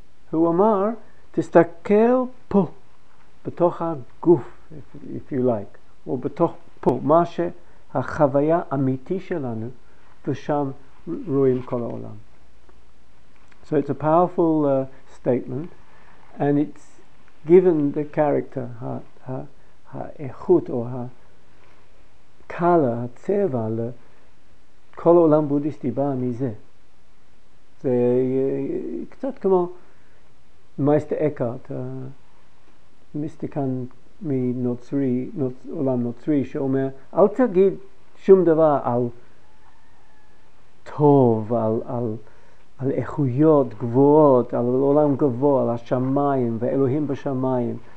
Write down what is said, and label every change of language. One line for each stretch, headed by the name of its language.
Hebrew: הוא אמר, תסתכל פה, בתוך הגוף,
English: if you like,
Hebrew: או בתוך פה, מה שהחוויה האמיתי שלנו, ושם רואים כל העולם.
English: So it's a powerful statement, and it's given the character,
Hebrew: האיכות או הקלה, הצבע לכל העולם בודיסטי בא מזה. זה קצת כמו מייסטר אקארט, מיסטיקן מנוצרי, עולם נוצרי, שאומר, אל תגיד שום דבר על טוב, על איכויות גבוהות, על עולם גבוה, על השמיים ואלוהים בשמיים.